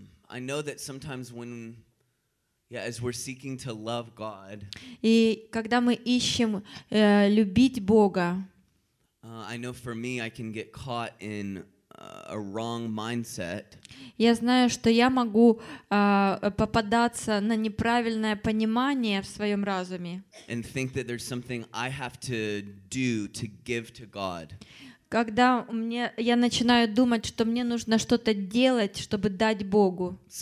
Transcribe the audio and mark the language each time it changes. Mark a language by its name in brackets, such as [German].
[English] I know that sometimes when as we're seeking to love God. [Russian] И когда мы ищем любить Бога. [English] I know for me I can get caught in a wrong mindset. [Russian] Я знаю, что я могу попадаться на неправильное понимание в своем разуме. [English] And think that there's something I have to do to give to God. [Russian] Когда мне я начинаю думать, что мне нужно что-то делать, чтобы дать Богу.